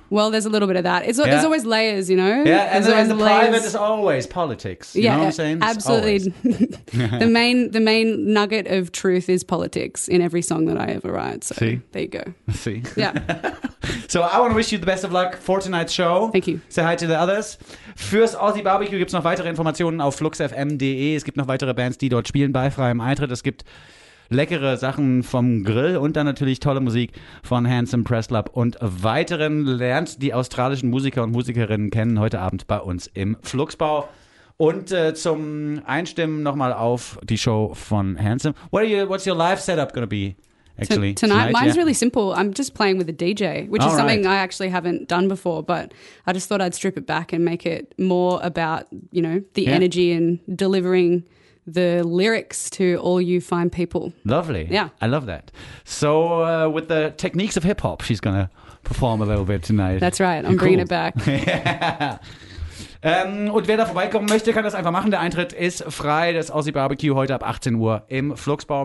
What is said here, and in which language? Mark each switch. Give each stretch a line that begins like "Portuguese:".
English: Well, there's a little bit of that. There's always layers, Yeah, and the private is always politics. You know what I'm saying? Absolutely. the main nugget of truth is politics in every song that I ever write. So there you go. See? Yeah. So I want to wish you the best of luck for tonight's show. Thank you. Say hi to the others.
German: Fürs Aussie Barbecue gibt's noch weitere Informationen auf fluxfm.de. Es gibt noch weitere Bands, die dort spielen bei freiem Eintritt. Es gibt leckere Sachen vom Grill und dann natürlich tolle Musik von Handsome Presslab und weiteren. Lernt die australischen Musiker und Musikerinnen kennen heute Abend bei uns im Fluxbau. Und zum Einstimmen nochmal auf die Show von Handsome.
English: What's your live setup going to be, actually? Tonight? Mine's really simple. I'm just playing with a DJ, which is something I actually haven't done before, but I just thought I'd strip it back and make it more about, the energy and delivering the lyrics to all you fine people. Lovely. Yeah. I love that. So with the techniques of hip hop, she's going to perform a little bit tonight. That's right. I'm bringing it back.
German: Und wer da vorbeikommen möchte, kann das einfach machen. Der Eintritt ist frei. Das Aussie Barbecue heute ab 18 Uhr im Fluxbau.